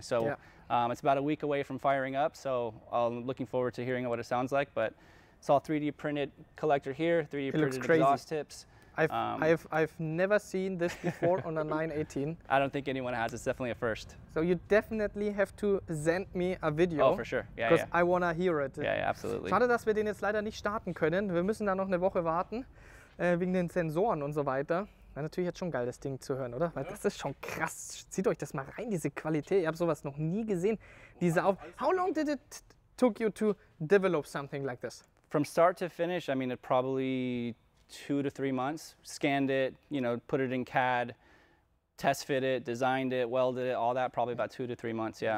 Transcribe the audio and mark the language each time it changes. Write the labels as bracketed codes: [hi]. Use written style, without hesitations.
[en] So it's about a week away from firing up, so I'm looking forward to hearing what it sounds like, but it's all 3D printed collector here, 3D it printed exhaust tips. I've never seen this before on a 918. I don't think anyone has. It's definitely a first. So you definitely have to send me a video. Oh, for sure. Yeah, yeah. Because I wanna hear it. Yeah, yeah, absolutely. [de] Schade, dass wir den jetzt leider nicht starten können. Wir müssen da noch eine Woche warten, wegen den Sensoren und so weiter. Ja, natürlich jetzt schon geil, das Ding zu hören, oder? Weil das ist schon krass. Zieht euch das mal rein, diese Qualität. Ich habe sowas noch nie gesehen. Diese auf. [en] How long did it took you to develop something like this? From start to finish, I mean, it probably 2 to 3 months, scanned it, you know, put it in CAD, test fit it, designed it, welded it, all that, probably about 2 to 3 months, yeah.